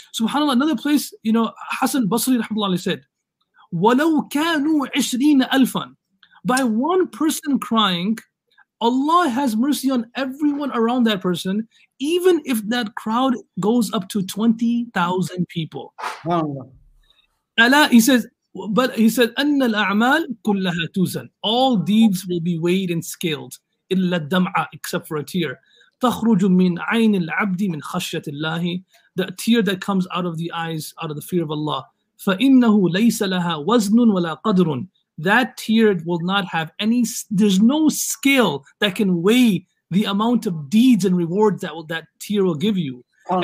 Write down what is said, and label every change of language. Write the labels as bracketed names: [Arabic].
[English] SubhanAllah, another place, you know, Hassan Basri rahmatullahi said, [Arabic] وَلَوْ كَانُوا 20 أَلْفًا. [English] By one person crying, Allah has mercy on everyone around that person, even if that crowd goes up to 20,000 people. He says, [Arabic] أَنَّ الْأَعْمَالِ كُلَّهَا تُوزَن. [English] All deeds will be weighed and scaled, [Arabic] إِلَّا الدَّمْعَ, [English] except for a tear. [Arabic] تَخْرُجُ مِنْ عَيْنِ الْعَبْدِ مِنْ خَشْيَةِ اللَّهِ. [English] The tear that comes out of the eyes, out of the fear of Allah. [Arabic] فَإِنَّهُ لَيْسَ لَهَا وَزْنٌ وَلَا قَدْرٌ. [English] That tear will not have any, there's no scale that can weigh the amount of deeds and rewards that will, that tear will give you. Allah.